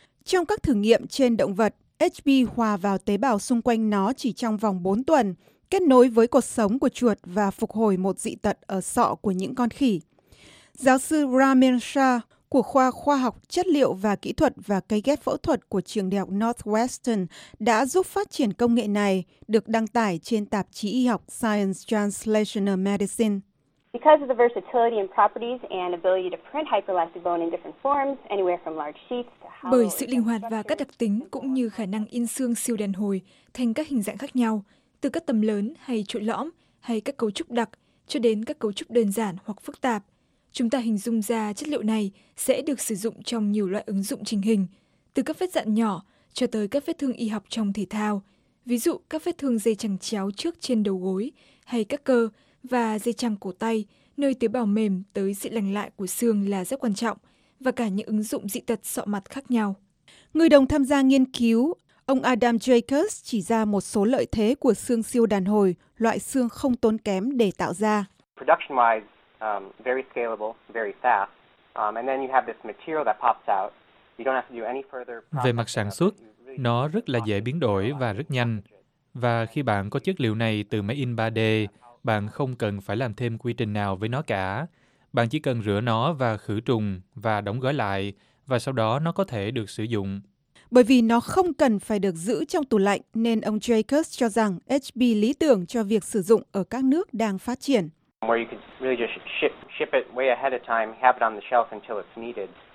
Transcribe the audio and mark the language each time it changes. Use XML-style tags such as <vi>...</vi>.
<vi>Trong các thử nghiệm trên động vật, HP hòa vào tế bào xung quanh nó chỉ trong vòng 4 tuần, kết nối với cột sống của chuột và phục hồi một dị tật ở sọ của những con khỉ. Giáo sư Ramin Shah của khoa khoa học chất liệu và kỹ thuật và cấy ghép phẫu thuật của trường đại học Northwestern đã giúp phát triển công nghệ này, được đăng tải trên tạp chí y học Science Translational Medicine.</vi> <en>Because of the versatility and properties and ability to print hyperelastic bone in different forms, anywhere from large sheets to hollow.</en> <vi>Bởi sự linh hoạt và các đặc tính cũng như khả năng in xương siêu đàn hồi thành các hình dạng khác nhau, từ các tấm lớn hay chuỗi lõm hay các cấu trúc đặc cho đến các cấu trúc đơn giản hoặc phức tạp. Chúng ta hình dung ra chất liệu này sẽ được sử dụng trong nhiều loại ứng dụng trình hình, từ các vết rạn nhỏ cho tới các vết thương y học trong thể thao, ví dụ các vết thương dây chằng chéo trước trên đầu gối hay các cơ và dây chằng cổ tay, nơi tế bào mềm tới sự lành lại của xương là rất quan trọng, và cả những ứng dụng dị tật sọ mặt khác nhau. Người đồng tham gia nghiên cứu, ông Adam Jacobs chỉ ra một số lợi thế của xương siêu đàn hồi, loại xương không tốn kém để tạo ra.</vi> <en>Production-wise, very scalable, very fast. And then you have this material that pops out. You don't have to do any further.</en> <vi>Về mặt sản xuất, nó rất là dễ biến đổi và rất nhanh. Và khi bạn có chất liệu này từ máy in 3D, bạn không cần phải làm thêm quy trình nào với nó cả. Bạn chỉ cần rửa nó và khử trùng và đóng gói lại, và sau đó nó có thể được sử dụng. Bởi vì nó không cần phải được giữ trong tủ lạnh, nên ông Jacobs cho rằng HP lý tưởng cho việc sử dụng ở các nước đang phát triển.</vi> <en>Where you could really just ship it way ahead of time, have it on the shelf until it's needed.</en>